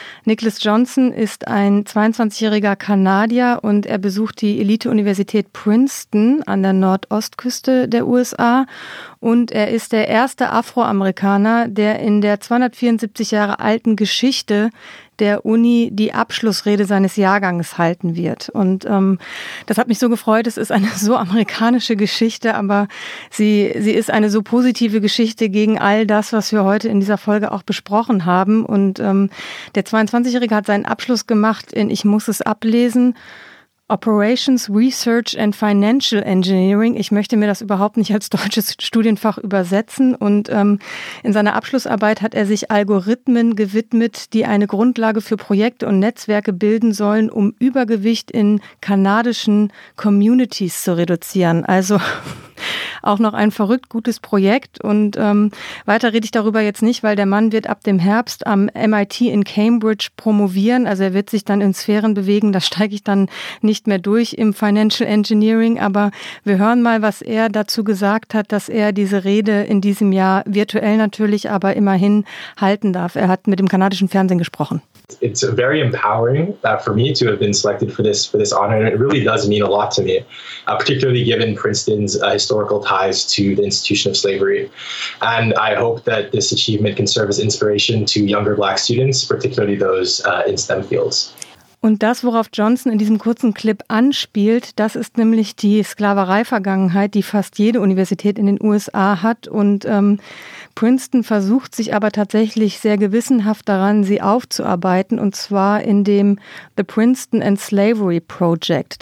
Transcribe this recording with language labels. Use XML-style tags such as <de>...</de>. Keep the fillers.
<de>Nicholas Johnson ist ein 22-jähriger Kanadier und er besucht die Elite-Universität Princeton an der Nordostküste der USA und er ist der erste Afroamerikaner, der in der 274 Jahre alten Geschichte der Uni die Abschlussrede seines Jahrgangs halten wird. Und ähm, das hat mich so gefreut. Es ist eine so amerikanische Geschichte, aber sie, sie ist eine so positive Geschichte gegen all das, was wir heute in dieser Folge auch besprochen haben. Und ähm, der 22-Jährige hat seinen Abschluss gemacht in Ich muss es ablesen.</de> <en>Operations Research and Financial Engineering.</en> <de>Ich möchte mir das überhaupt nicht als deutsches Studienfach übersetzen. Und ähm, in seiner Abschlussarbeit hat er sich Algorithmen gewidmet, die eine Grundlage für Projekte und Netzwerke bilden sollen, um Übergewicht in kanadischen Communities zu reduzieren. Also auch noch ein verrückt gutes Projekt. Und ähm, weiter rede ich darüber jetzt nicht, weil der Mann wird ab dem Herbst am MIT in Cambridge promovieren. Also er wird sich dann in Sphären bewegen. Da steige ich dann nicht mehr durch im Financial Engineering. Aber wir hören mal, was er dazu gesagt hat, dass er diese Rede in diesem Jahr virtuell natürlich, aber immerhin halten darf. Er hat mit dem kanadischen Fernsehen gesprochen.</de> <en>it's very empowering uh, for me to have been selected for this for this honor, and it really does mean a lot to me, uh, particularly given Princeton's uh, historical ties to the institution of slavery. And I hope that this achievement can serve as inspiration to younger Black students, particularly those in STEM fields.</en> <de>Und das, worauf Johnson in diesem kurzen Clip anspielt, das ist nämlich die Sklaverei-Vergangenheit, die fast jede Universität in den USA hat. Und ähm, Princeton versucht sich aber tatsächlich sehr gewissenhaft daran, sie aufzuarbeiten, und zwar in dem The Princeton and Slavery Project.</de>